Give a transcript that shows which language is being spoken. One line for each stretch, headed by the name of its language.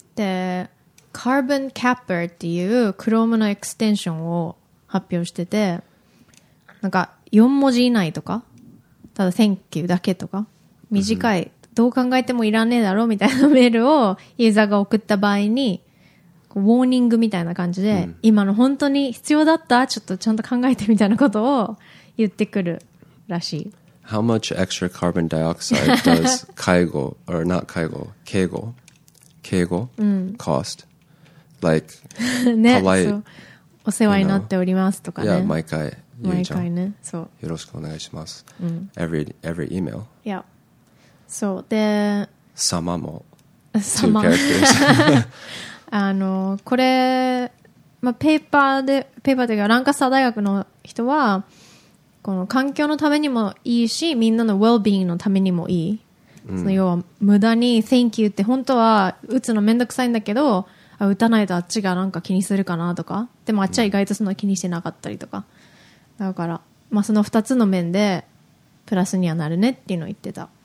Japanese: でカーボンキャッパーっていうクロームのエクステンションを発表してて、なんか4文字以内とか、ただ
English: Thank you
Japanese: だけとか、短い、うん、どう考えてもいらねえだろうみたいなメールをユーザーが送った場合に、ウォーニングみたいな感じで、うん、今の本当に必要だった、ちょっとちゃんと考えてみたいなことを言ってくるらしい。
English: How much extra carbon dioxide does
Japanese: 介護,
English: or not 介護,
Japanese: 敬語,
English: 敬語, cost? Like, 、
Japanese: ね、
English: polite,
Japanese: お世話になっておりますとかね。
English: Yeah,
Japanese: 毎回、毎回ね、そう。よろしくお願いします。
English: Every email. Yeah.
Japanese: そう、で、様も、様も。あの、これ、まあ、ペーパーというか、ランカスター大学の人は、この環境のためにもいいし、みんなの well-being のためにもいい、うん、その要は無駄に
English: thank you
Japanese: って本当は打つのめんどくさいんだけど、あ、打たないとあっちがなんか気にするかなとか、でもあっちは意外とそんな気にしてなかったりとか、うん、だから、まあ、その2つの面でプラスにはなるねっていうのを言ってた、